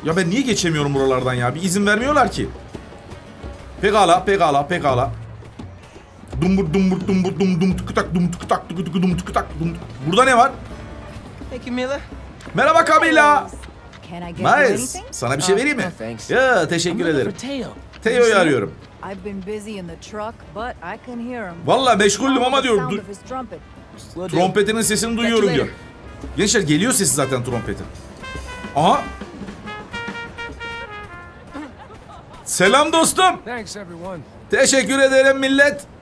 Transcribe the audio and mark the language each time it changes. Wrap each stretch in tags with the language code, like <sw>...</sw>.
<tr>Ya ben niye geçemiyorum buralardan ya? Bir izin vermiyorlar ki. Pekala. Dumbur dumbur dumbur dum dum tıkıtak dum tıkıtak tıkıtıkı dum tıkıtak dum. Burada ne var? Peki Mila. Merhaba Camila. Miles, sana bir şey vereyim mi? Ya teşekkür ederim. Theo'yu arıyorum.</tr> <en>I've been busy in the truck, but I can hear him.</en> <tr>Vallahi meşguldüm ama diyor. Trompetinin sesini duyuyorum diyor. Gençler, geliyor sesi zaten trompetin. Aha. Selam dostum. Teşekkür ederim millet.</tr>